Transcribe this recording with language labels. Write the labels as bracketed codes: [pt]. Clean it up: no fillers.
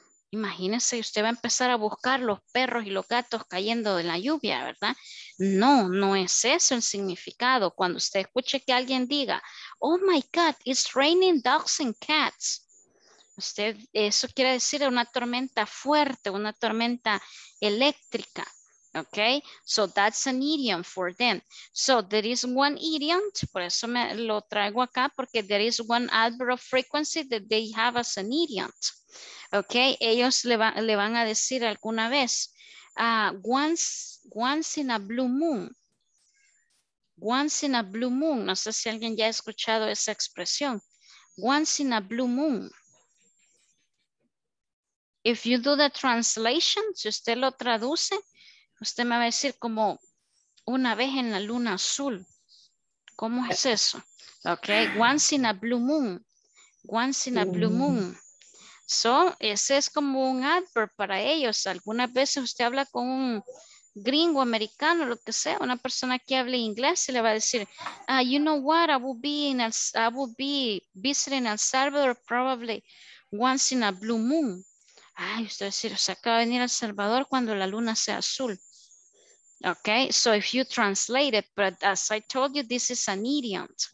[es] Imagínense, usted va a empezar a buscar los perros y los gatos cayendo de la lluvia, ¿verdad? No, no es eso el significado. Cuando usted escuche que alguien diga, [en] oh my God, it's raining dogs and cats. [es] Usted, eso quiere decir una tormenta fuerte, una tormenta eléctrica. [en] Okay, so that's an idiom for them. So there is one idiom, [es] por eso me lo traigo acá, porque [en] there is one adverb of frequency that they have as an idiom. [es] Okay, ellos le van a decir alguna vez, [en] once in a blue moon. Once in a blue moon. [es] No sé si alguien ya ha escuchado esa expresión. [en] Once in a blue moon. If you do the translation, [es] si usted lo traduce, usted me va a decir como una vez en la luna azul. ¿Cómo es eso? [en] Okay, once in a blue moon. Once in a blue moon. [es] So, ese es como un adverb para ellos. Algunas veces usted habla con un gringo americano, lo que sea, una persona que hable inglés, y le va a decir, [en] you know what, I will be visiting El Salvador probably once in a blue moon. [es] Ay, usted va a decir, o sea, acaba de venir a El Salvador cuando la luna sea azul. [en] Okay, so if you translate it, but as I told you, this is an idiom.